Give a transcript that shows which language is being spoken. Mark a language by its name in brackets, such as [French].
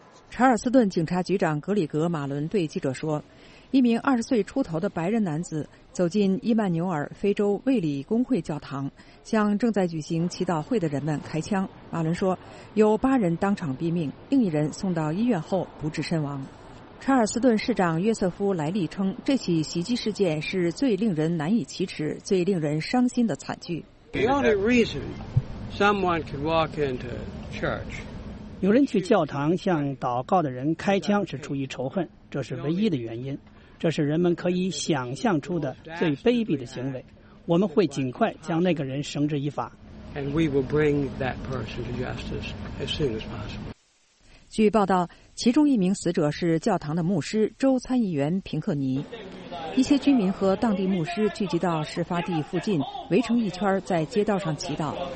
[Chinese] 查尔斯顿警察局长格里格·马伦对记者说，一名20岁出头的白人男子走进伊曼纽尔非洲卫理公会教堂，向正在举行祈祷会的人们开枪。马伦说，有8人当场毙命，另一人送到医院后不治身亡。查尔斯顿市长约瑟夫·莱利称，这起袭击事件是最令人难以启齿、最令人伤心的惨剧。 [English] The only reason someone could walk into church. [Chinese] 有人去教堂向祷告的人开枪是出于仇恨，这是唯一的原因。这是人们可以想象出的最卑鄙的行为。我们会尽快将那个人绳之以法。 [English] And we will bring that person to justice as soon as possible. [Chinese] 据报道，其中一名死者是教堂的牧师州参议员平克尼。一些居民和当地牧师聚集到事发地附近，围成一圈在街道上祈祷。